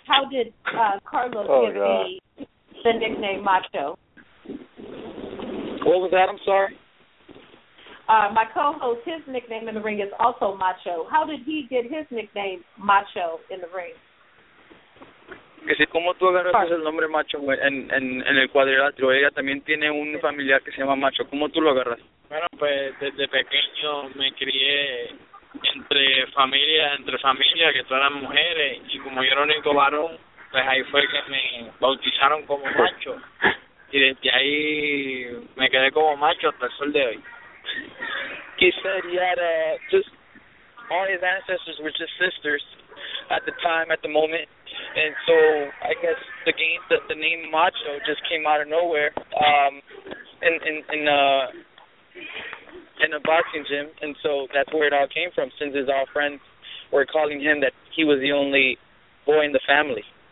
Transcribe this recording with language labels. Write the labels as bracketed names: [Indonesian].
[English] How did Carlos give me the nickname Macho? What was that? I'm sorry. My co-host, his nickname in the ring is also Macho. How did he get his nickname Macho in the ring? [Spanish] Que si como tú agarras el nombre Macho en el cuadrilátero, ella también tiene un familiar que se llama Macho. ¿Cómo tú lo agarras? Bueno, pues desde pequeño me crié entre familia, que todas eran mujeres, y como yo era el único varón, pues ahí fue que me bautizaron como Macho, y desde ahí me quedé como Macho hasta el sol de hoy. [English] He said he had just all his ancestors were just sisters at the moment, and so I guess the name Macho just came out of nowhere in a boxing gym, and so that's where it all came from, since his all friends were calling him that he was the only boy in the family.